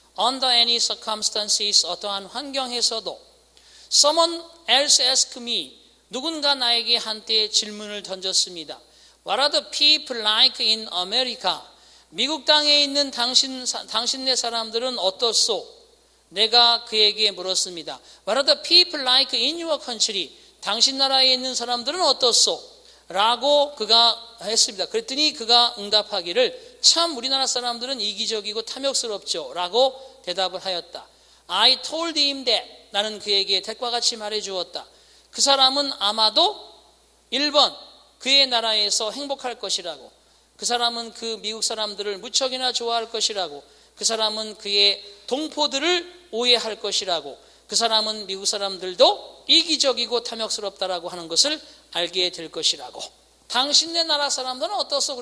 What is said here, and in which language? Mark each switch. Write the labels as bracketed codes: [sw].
[en] Under any circumstances, [ko] 어떠한 환경에서도 [en] Someone else asked me, [ko] 누군가 나에게 한때 질문을 던졌습니다. [en] What are the people like in America? [ko] 미국 땅에 있는 당신네 사람들은 어떻소? 내가 그에게 물었습니다. [en] What are the people like in your country? [ko] 당신 나라에 있는 사람들은 어떻소? 라고 그가 했습니다. 그랬더니 그가 응답하기를 참 우리나라 사람들은 이기적이고 탐욕스럽죠. 라고 대답을 하였다. [en] I told him that. [ko] 나는 그에게 택과 같이 말해주었다. 그 사람은 아마도 1번 그의 나라에서 행복할 것이라고 그 사람은 그 미국 사람들을 무척이나 좋아할 것이라고 그 사람은 그의 동포들을 오해할 것이라고 그 사람은 미국 사람들도 이기적이고 탐욕스럽다라고 하는 것을 알게 될 것이라고 당신네 나라 사람들은 어떻소?